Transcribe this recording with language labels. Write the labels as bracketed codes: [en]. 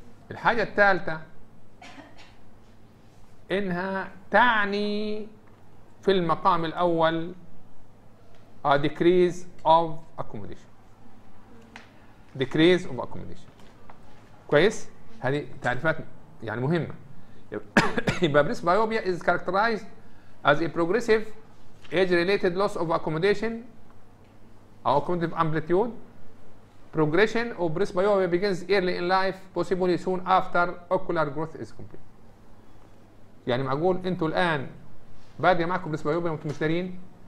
[ar] الحاجه الثالثه انها تعني في المقام الاول ديكريز اوف اكوموديشن. ديكريز اوف اكوموديشن كويس. هذه تعريفات يعني مهمه. [en] يبقى presbyopia is characterized as a progressive age-related loss of accommodation or accommodative amplitude. Progression of presbyopia begins early in life, possibly soon after ocular growth is complete. [ar] يعني معقول انتوا الان بادية معكم بريسبايوبيا وانتم مش دارين؟